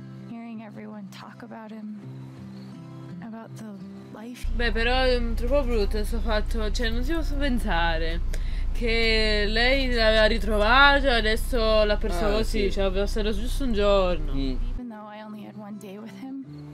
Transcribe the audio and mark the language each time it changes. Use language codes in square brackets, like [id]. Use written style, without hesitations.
[en] Hearing everyone talk about him, about the life. [it] Beh, però è troppo brutto questo fatto, cioè non si posso pensare che lei l'aveva ritrovato e adesso l'ha perso così, sì. Cioè aveva stato giusto un giorno. [en] Even though I only had one day with him,